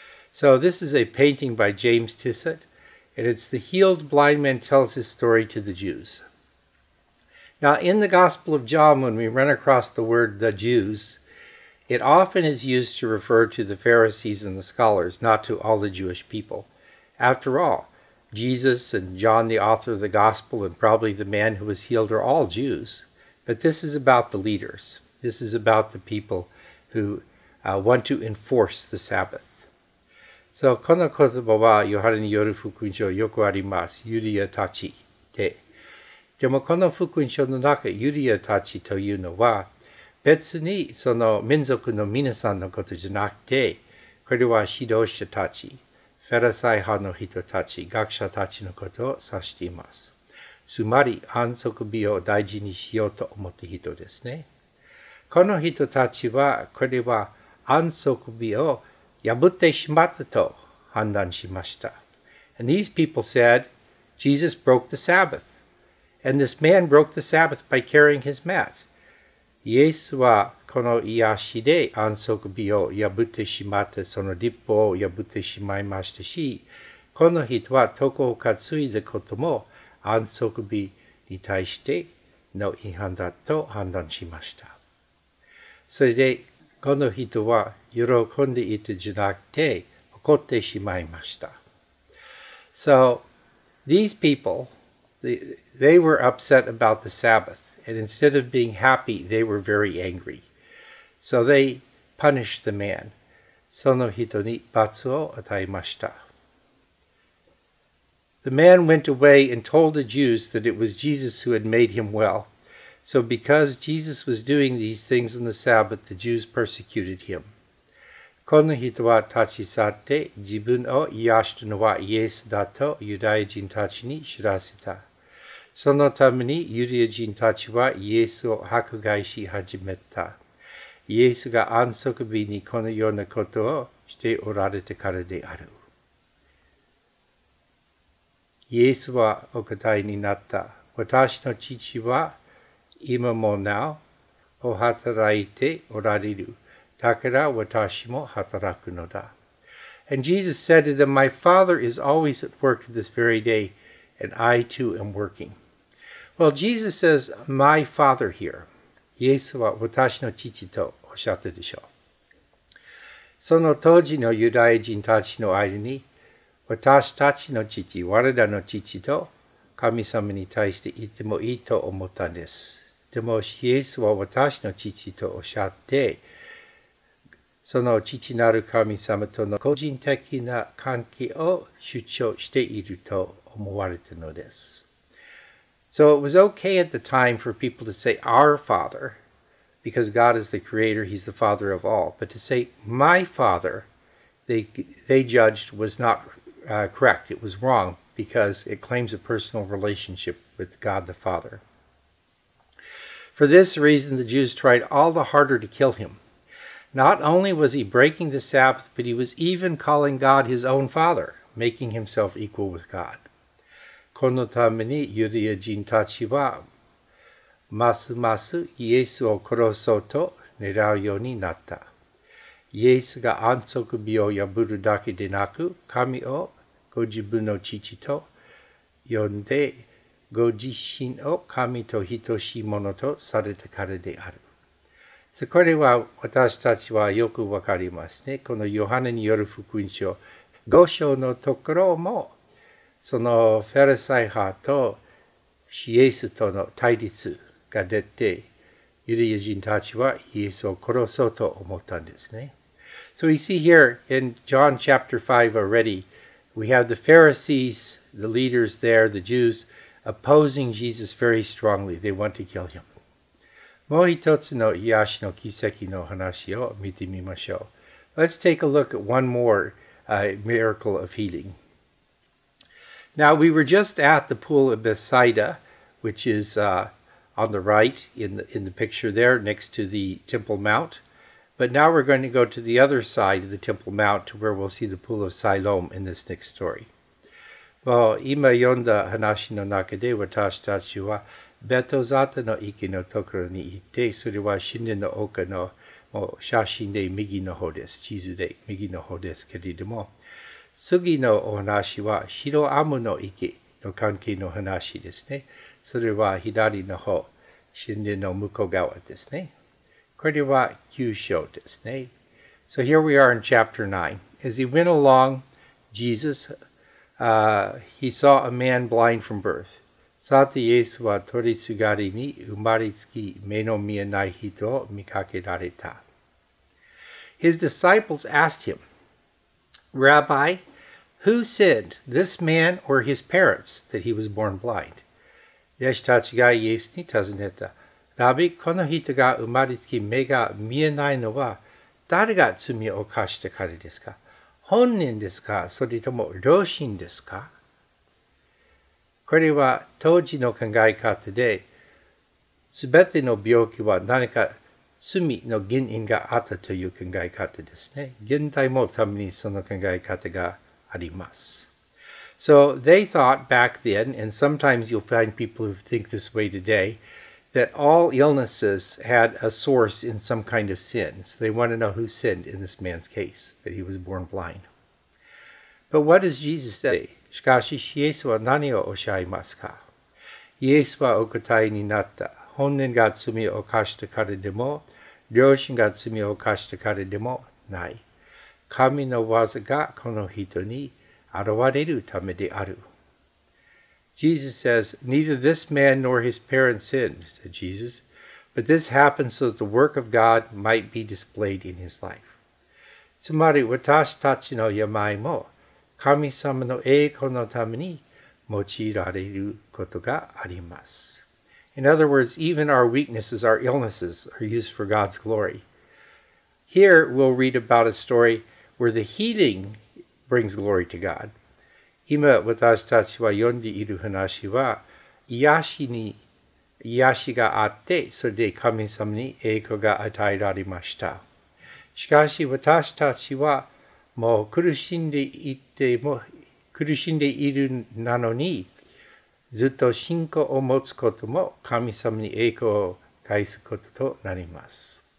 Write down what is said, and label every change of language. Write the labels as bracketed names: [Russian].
[English] So this is a painting by James Tissot, and it's the healed blind man tells his story to the Jews. Now in the Gospel of John, when we run across the word the Jews, it often is used to refer to the Pharisees and the scholars, not to all the Jewish people. After all, Jesus and John, the author of the Gospel, and probably the man who was healed are all Jews. But this is about the leaders. This is about the people who want to enforce the Sabbath. [Japanese] So, この言葉はヨハネによる福音書よくあります。ユリアたちで。でもこの福音書の中、ユリアたちというのは、別にその民族の皆さんのことじゃなくて、これは指導者たち、ファリサイ派の人たち、学者たちのことを指しています。つまり、安息日を大事にしようと思った人ですね。この人たちは、これは安息日を破ってしまったと判断しました。 [English] And these people said, Jesus broke the Sabbath. And this man broke the Sabbath by carrying his mat. [Japanese] イエスはこの癒しで安息日を破ってしまった、その立法を破ってしまいましたし、この人は床を担いだことも安息日に対しての違反だと判断しました。それで、この人は喜んでいたじゃなくて怒ってしまいました。 [English] So, these people, they were upset about the Sabbath, and instead of being happy, they were very angry. So they punished the man. [Japanese] その人に罰を与えました。 [English] The man went away and told the Jews that it was Jesus who had made him well. So because Jesus was doing these things on the Sabbath, the Jews persecuted him. [Japanese] この人は立ち去って自分を癒したのはイエスだとユダヤ人たちに知らせた。そのためにユダヤ人たちはイエスを迫害し始めた。イエスが安息日にこのようなことをしておられたからである。イエスはお答えになった。私の父は今もなおお働いておられる。だから私も働くのだ。 [English] And Jesus said to them, My Father is always at work this very day, and I too am working. Well, Jesus says, My Father here. [Japanese] イエスは私の父とおっしゃったでしょう。その当時のユダヤ人たちの間に、私たちの父、我らの父と神様に対して言ってもいいと思ったんです。でも、イエスは私の父とおっしゃって、その父なる神様との個人的な関係を主張していると思われたのです。 [English] So it was okay at the time for people to say our father, because God is the creator, he's the father of all. But to say my father, they judged was not correct. It was wrong because it claims a personal relationship with God the Father. For this reason, the Jews tried all the harder to kill him. Not only was he breaking the Sabbath, but he was even calling God his own father, making himself equal with God. [Japanese] このためにユダヤ人たちはますますイエスを殺そうと狙うようになった。イエスが安息日を破るだけでなく、神をご自分の父と呼んで、ご自身を神と等しいものとされたからである。 So、これは私たちはよくわかりますね。このヨハネによる福音書、五章のところも、そのフェルサイ派とシエスとの対立が出て、ユダヤ人たちはイエスを殺そうと思ったんですね。 [English] So we see here in John chapter 5 already, we have the Pharisees, the leaders there, the Jews, opposing Jesus very strongly. They want to kill him. [Japanese] もう一つの癒しの奇跡の話を見てみましょう。 [English] Let's take a look at one more miracle of healing. Now, we were just at the pool of Bethsaida, which is on the right in the picture there next to the Temple Mount. But now we're going to go to the other side of the Temple Mount to where we'll see the pool of Siloam in this next story. [Japanese] Well, 今読んだ話の中で私たちはベトザタの池のところに行って、それは神殿の丘のもう写真で右の方です。地図で右の方ですけれども、次のお話はシロアムの池の関係の話ですね。それは左の方、神殿の向こう側ですね。これは九章ですね。 [English] So here we are in chapter 9. As he went along, Jesus, he saw a man blind from birth. [Japanese] さて、イエスは通りすがりに生まれつき目の見えない人を見かけられた。 [English] His disciples asked him, Rabbi, who sinned, this man or his parents, that he was born blind? [Japanese] イエスたちがイエスに尋ねた。ラビ、この人が生まれつき目が見えないのは誰が罪を犯した彼ですか？本人ですか？それとも両親ですか？これは当時の考え方で、すべての病気は何か罪の原因があったという考え方ですね。現代もたまにその考え方があります。 [English] So they thought back then, and sometimes you'll find people who think this way today, that all illnesses had a source in some kind of sin. So they want to know who sinned in this man's case, that he was born blind. But what does Jesus say? [Japanese] しかし、イエスは何をおっしゃいますか？イエスはお答えになった。本人が罪を犯したからでも、両親が罪を犯したからでもない。神の技がこの人に現れるためである。 [English] Jesus says, neither this man nor his parents sinned, said Jesus, but this happened so that the work of God might be displayed in his life. [Japanese] つまり私たちの病も神様の栄光のために用いられることがあります。 [English] In other words, even our weaknesses, our illnesses, are used for God's glory. Here, we'll read about a story where the healing brings glory to God. [Japanese] 今私たちは読んでいる話は、癒しがあって、それで神様に栄光が与えられました。しかし私たちはもう苦しんでいるなのに、ずっと信仰を持つことも神様に栄光を返すこととなります。